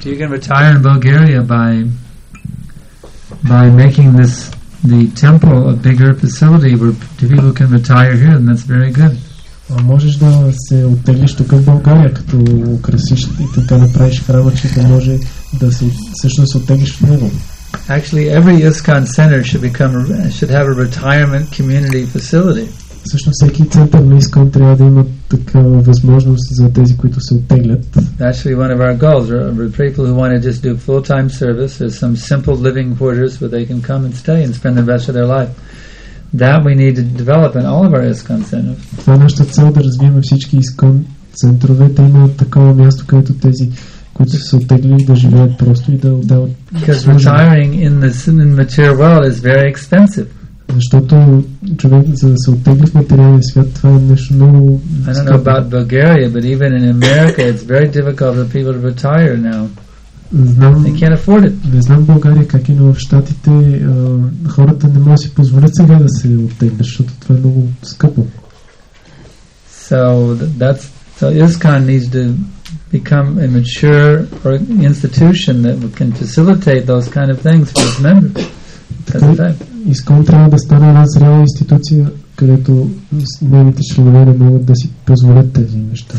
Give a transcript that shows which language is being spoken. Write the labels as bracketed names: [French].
[English] So you can retire in Bulgaria by making this the temple a bigger facility where people can retire here, and that's very good. [Bulgarian] Можеш да се отделиш тук в България, като украсиш и така направиш храма, че да може да се всъщност отделиш в него. [English] Actually, every ISKCON center should have a retirement community facility. [Bulgarian] Всъщност всеки център на ISKCON трябва да има такава възможност за тези, които се отделят. [English] Actually, one of our goals are people who want to just do full-time service, there's some simple living quarters where they can come and stay and spend the rest of their life. That we need to develop in all of our ISKCON centers. [Bulgarian] Това е нашата цел, да развиваме всички ISKCON центрове. Те имат такова място, където тези, които са оттеглили, да живеят просто и да отдават. [English] Because retiring in the material world is very expensive. [Bulgarian] Защото човек, за да се оттегли в материалния свят, това е нещо много. [English] I don't know about Bulgaria, but even in America, it's very difficult for people to retire now. They can't afford it. [Bulgarian] Не знам в България как е, но в Штатите хората не могат да си позволят сега да се оттеглят, защото това е много скъпо. [English] So ISKCON needs to become a mature institution that can facilitate those kind of things for its members. [Bulgarian] ISKCON трябва да стане една зрела институция, където нейните членове не могат да си позволят тези неща.